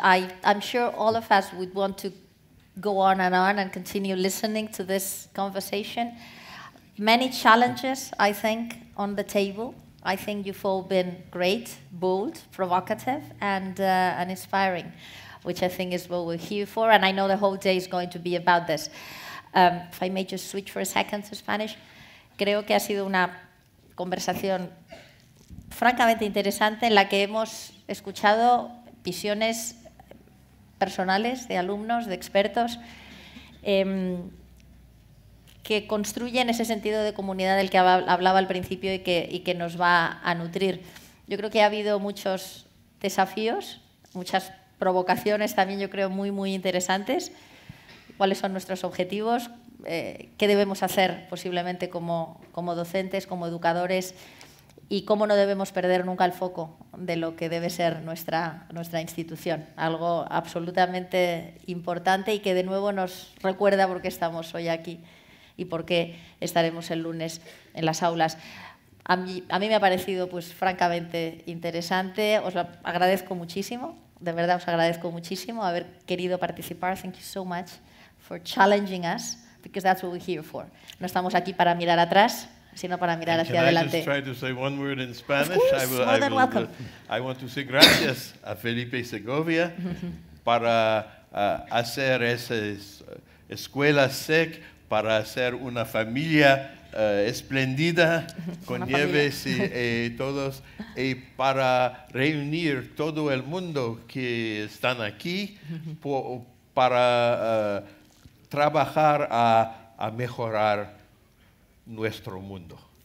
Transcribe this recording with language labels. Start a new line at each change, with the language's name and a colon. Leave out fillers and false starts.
English: I'm sure all of us would want to go on and continue listening to this conversation. Many challenges, I think, on the table. I think you've all been great, bold, provocative, and inspiring, which I think is what we're here for, and I know the whole day is going to be about this. If I may just switch for a second to Spanish.
Spanish: Creo que ha sido una conversación francamente interesante en la que hemos escuchado visiones personales de alumnos, de expertos, que construyen ese sentido de comunidad del que hablaba al principio y que nos va a nutrir. Yo creo que ha habido muchos desafíos, muchas provocaciones también, yo creo, muy, muy interesantes. ¿Cuáles son nuestros objetivos? ¿Qué debemos hacer posiblemente como docentes, como educadores? ¿Y cómo no debemos perder nunca el foco de lo que debe ser nuestra institución? Algo absolutamente importante y que de nuevo nos recuerda por qué estamos hoy aquí y por qué estaremos el lunes en las aulas. A mí me ha parecido, pues, francamente interesante. Os lo agradezco muchísimo. De verdad, os agradezco muchísimo haber querido participar.
English: Thank you so much for challenging us, because that's what we're here for.
Spanish: No estamos aquí para mirar atrás, sino para mirar hacia adelante.
English: Can I just try to say one word in Spanish? Of course, more than welcome. I want to say
Spanish: gracias a Felipe Segovia para hacer esas escuelas SEC, para hacer una familia espléndida, con Nieves y todos, y para reunir todo el mundo que están aquí para trabajar a mejorar nuestro mundo.